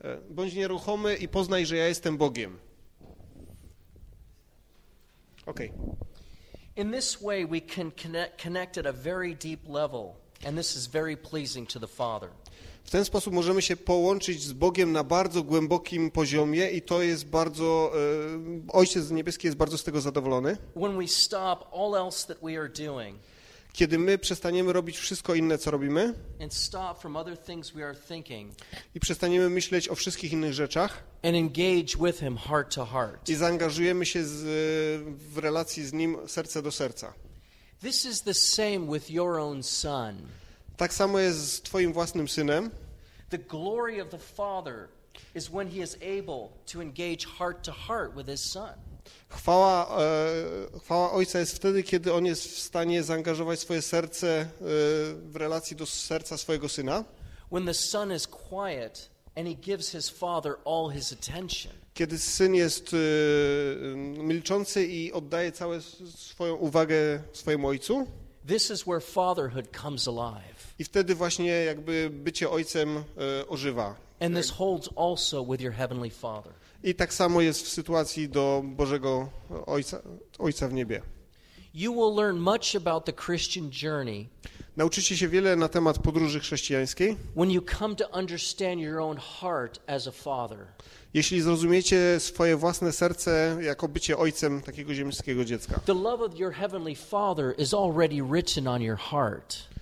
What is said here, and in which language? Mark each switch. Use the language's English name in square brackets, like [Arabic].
[Polish] Bądź nieruchomy i poznaj, że ja jestem Bogiem. [English] Okay. In this way we can connect at a very deep level, and this is very pleasing to the Father. [Polish] W ten sposób możemy się połączyć z Bogiem na bardzo głębokim poziomie i to jest bardzo Ojciec Niebieski jest bardzo z tego zadowolony. [English] When we stop all else that we are doing, [Polish] kiedy my przestaniemy robić wszystko inne, co robimy [English] and stop from other things we are thinking, [Polish] i przestaniemy myśleć o wszystkich innych rzeczach [English] and engage with him heart to heart. [Polish] I zaangażujemy się w relacji z Nim serce do serca. [English] This is the same with your own son. [Polish] Tak samo jest z Twoim własnym synem. [English] The glory of the Father is when he is able to engage heart to heart with his son. [Polish] Chwała Ojca jest wtedy, kiedy On jest w stanie zaangażować swoje serce w relacji do serca swojego Syna. [English] When the Son is quiet and He gives His Father all His attention. [Polish] Kiedy Syn jest milczący i oddaje całą swoją uwagę swojemu Ojcu. [English] This is where fatherhood comes alive. [Polish] I wtedy właśnie jakby bycie Ojcem ożywa. [English] And this holds also with your Heavenly Father. [Polish] I tak samo jest w sytuacji do Bożego Ojca, Ojca w niebie. [English] You will learn much about the Christian journey. [Polish] Nauczycie się wiele na temat podróży chrześcijańskiej. [English] When you come to understand your own heart as a father. [Polish] Jeśli zrozumiecie swoje własne serce jako bycie ojcem takiego ziemskiego dziecka. [English] The love of your heavenly father is already written on your heart.